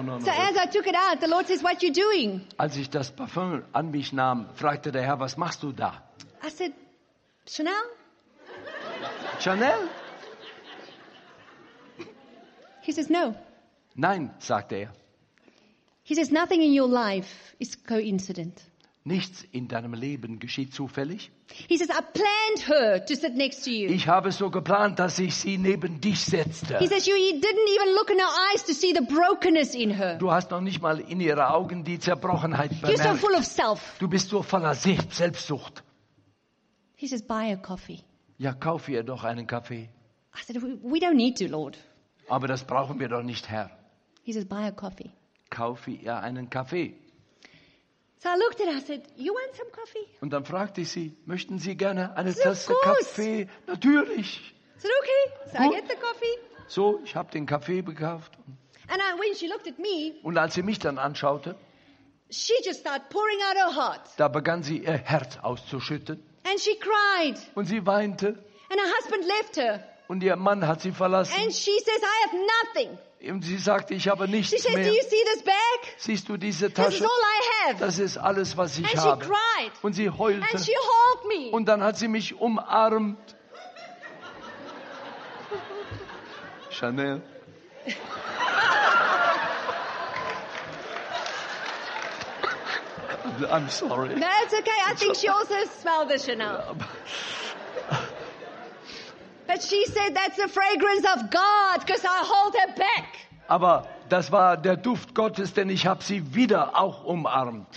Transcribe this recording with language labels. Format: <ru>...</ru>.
<en>So as I took it out, the Lord says, what are you doing?</en> <de>Als ich das Parfum an mich nahm, fragte der Herr, was machst du da?</de> <en>I said, Chanel? Chanel? He says, no.</en> <de>Nein, sagte er.</de> <en>He says, nothing in your life is coincident.</en> <de>Nichts in deinem Leben geschieht zufällig.</de> <en>He says, I planned her to sit next to you.</en> <de>Ich habe so geplant, dass ich sie neben dich setzte.</de> <en>He says, you didn't even look in her eyes to see the brokenness in her.</en> <de>Du hast noch nicht mal in ihre Augen die Zerbrochenheit bemerkt.</de> <en>You're so full of self.</en> <de>Du bist so voller Selbstsucht.</de> <en>He says, buy a coffee.</en> <de>Ja, kauf ihr doch einen Kaffee.</de> <en>I said, we don't need to, Lord.</en> <de>Aber das brauchen wir doch nicht, Herr.</de> <en>He says, buy a coffee.</en> <de>Kauf ihr einen Kaffee.</de> <en>So I looked at her, I said, "You want some coffee?"</en> <de>Und dann fragte ich sie, möchten Sie gerne eine Tasse Kaffee? Natürlich.</de> <en>So okay,</en> <de>so gut.</de> <en>I get the coffee.</en> <de>So, ich habe den Kaffee gekauft.</de> <en>And I, when she looked at me,</en> <de>und als sie mich dann anschaute,</de> <en>she just started pouring out her heart.</en> <de>Da begann sie ihr Herz auszuschütten.</de> <en>And she cried.</en> <de>Und sie weinte.</de> <en>And her husband left her.</en> <de>Und ihr Mann hat sie verlassen.</de> <en>And she says, "I have nothing."</en> <de>Und sie sagte, ich habe nichts</de> <en>she said,</en> <de>mehr.</de> <en>"Do you see this bag?</en> <de>Siehst du diese Tasche?</de> <en>This is all I have."</en> <de>Das ist alles, was ich</de> <en>And</en> <de>habe.</de> <en>She cried.</en> <de>Und sie heulte.</de> <en>And she hugged me.</en> <de>Und dann hat sie mich umarmt.</de> <en>Chanel. I'm sorry. No, it's okay. I think she also smelled the Chanel. But she said that's the fragrance of God because I hold her back.</en> <de>Aber das war der Duft Gottes, denn ich habe sie wieder auch umarmt.</de>